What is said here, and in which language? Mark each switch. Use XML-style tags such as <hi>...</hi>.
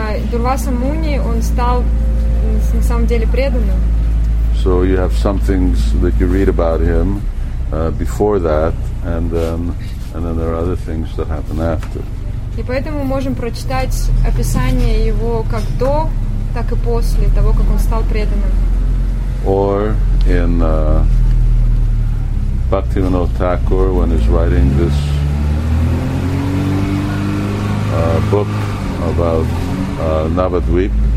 <ru>Дурваса Муни, он стал на самом деле преданным.</ru> <en>So you have some things that you read about him before that, and then there are other things that happen after.</en> <ru>И поэтому мы можем прочитать описание его как до, так и после того, как он стал преданным.</ru> <en>Or in Bhaktivinoda Thakur, when he's writing this book about Navadvip.</en>